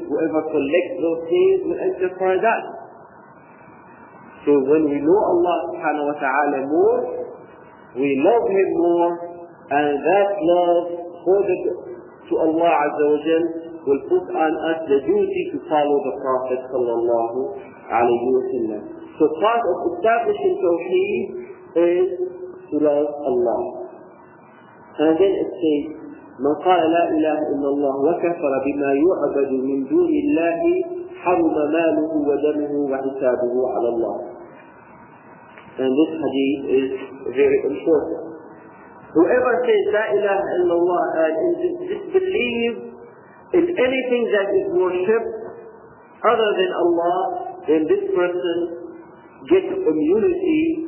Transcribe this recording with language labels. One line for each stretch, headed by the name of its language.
English: Whoever collects those names will enter paradise. So when we know Allah subhanahu wa ta'ala more, we love Him more, and that love according to Allah Azza wa Jal will put on us the duty to follow the Prophet sallallahu alayhi wa sallam. So part of establishing Tawheed is to love Allah.
Arabic: And then it says, مَنْ قَالَ لَا إِلَهَ إِلَّا اللَّهُ وَكَفَرَ بِمَا يُعْبَدُ مِنْ دُونِ اللَّهِ حَرُمَ مَالُهُ وَدَمُهُ وَحِسَابُهُ عَلَى اللَّهِ.
English: And this hadith is very important. Whoever says La ilaha illallah and disbelieve in anything that is worshipped other than Allah, then this person gets immunity